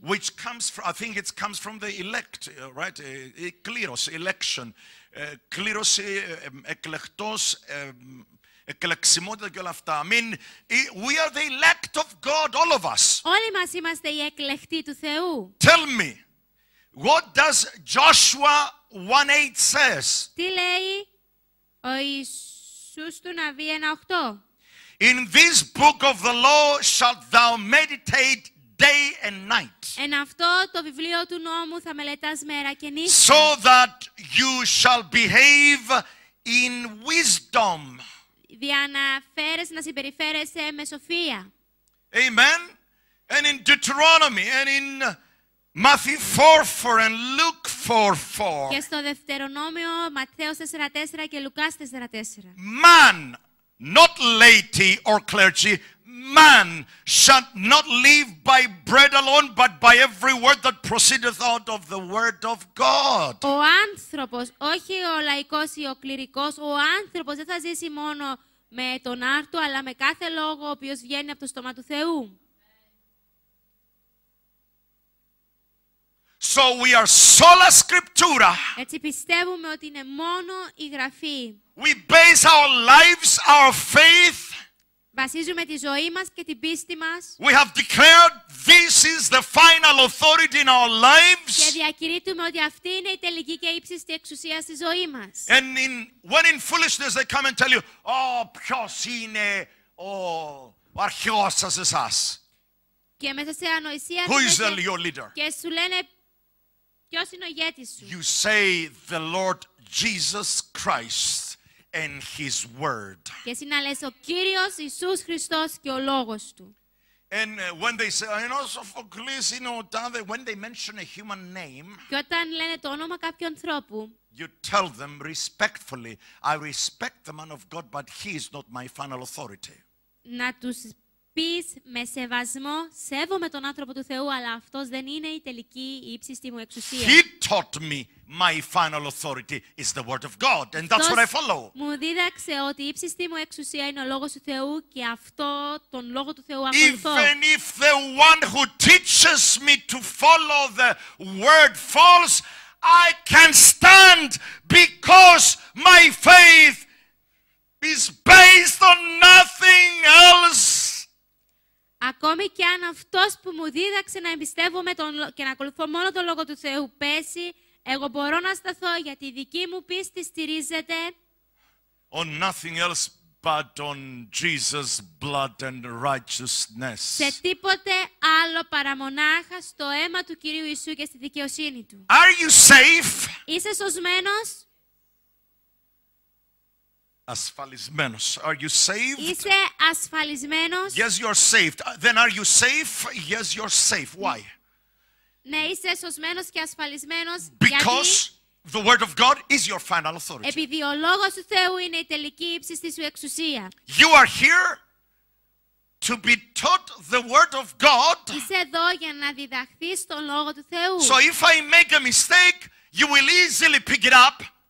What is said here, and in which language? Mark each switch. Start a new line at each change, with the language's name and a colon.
English: Which comes from, I think it comes from the elect, right? Κλήρος, election.
Greek: Κλήρωση, εκλεκτός, εκλεξιμότητα και όλα αυτά.
English: I mean, we are the elect of God, all of us.
Greek: Όλοι μας είμαστε οι εκλεκτοί του Θεού.
English: Tell me, what does Joshua 1:8 says?
Greek: Τι λέει ο Ιησούς του Ναβί 1:8?
English: In this book of the law shalt thou meditate day and night.
Greek: Εν αυτό το βιβλίο του νόμου θα μελετάς μέρα και νύχτα.
English: So that you shall behave in wisdom.
Greek: Δια να φέρεις να συμπεριφέρεσαι με σοφία.
English: Amen. And in Deuteronomy and in Matthew 4:4 and Luke 4:4.
Greek: Και στο Δευτερονόμιο Ματθαίος 4:4 και Λουκάς 4:4.
English: Man, not laity or clergy, man shall not live by bread alone, but by every word that proceedeth out of the word of God.
Greek: Ο άνθρωπος, όχι ο λαϊκός ή ο κληρικός, ο άνθρωπος δεν θα ζήσει μόνο με τον άρτο, αλλά με κάθε λόγο ο οποίος βγαίνει από το στόμα του Θεού.
English: So we are sola scriptura.
Greek: Έτσι πιστεύουμε ότι είναι μόνο η γραφή.
English: We base our lives, our faith.
Greek: Βασίζουμε τη ζωή μας και την πίστη μας.
English: We have declared this is the final authority in our lives.
Greek: Και διακηρύττουμε ότι αυτή είναι η τελική και ύψιστη εξουσία στη ζωή μας.
English: And in, when in foolishness they come and tell you, oh,
Greek: ποιος είναι ο αρχηγός σας εσάς. Και μέσα σε ανοησία.
English: Who is your leader?
Greek: Και σου λένε ποιος είναι ο ηγέτης σου.
English: You say the Lord Jesus Christ and His Word.
Greek: Και εσύ να λες ο Κύριος Ιησούς Χριστός και ο Λόγος του.
English: And when they say, I know Sophocles, you know, David, when they mention a human name,
Greek: και όταν λένε το όνομα κάποιου ανθρώπου,
English: you tell them respectfully, I respect the man of God, but he is not my final authority.
Greek: Να τους πεις με σεβασμό, σέβομαι τον άνθρωπο του Θεού, αλλά αυτός δεν είναι η τελική ύψιστη μου εξουσία.
English: He taught me my final authority is the word of God, and that's what I follow.
Greek: Μου δίδαξε ότι η ύψιστη μου εξουσία είναι ο λόγος του Θεού και αυτό τον λόγο του Θεού ακολουθώ.
English: Even if the one who teaches me to follow the word falls, I can stand because my faith is based on nothing else.
Greek: Ακόμη και αν αυτός που μου δίδαξε να εμπιστεύομαι και να ακολουθώ μόνο τον λόγο του Θεού πέσει, εγώ μπορώ να σταθώ γιατί η δική μου πίστη στηρίζεται
English: on nothing else but on Jesus' blood and righteousness.
Greek: Σε τίποτε άλλο παρά μονάχα στο αίμα του Κυρίου Ιησού και στη δικαιοσύνη του.
English: Are you safe?
Greek: Είσαι σωσμένος?
English: Ασφαλισμένος. Are you saved?
Greek: Είσαι ασφαλισμένος?
English: Yes, you're saved. Then are you safe? Yes, you're safe. Why?
Greek: Ναι, είσαι σωσμένος και ασφαλισμένος.
English: Because
Greek: γιατί
English: the word of God is your final authority.
Greek: Επειδή ο λόγος του Θεού είναι η τελική ύψιστη σου εξουσία.
English: You are here to be taught the word of God.
Greek: Είσαι εδώ για να διδαχθείς τον λόγο του Θεού.
English: So if I make a mistake, you will easily pick it up.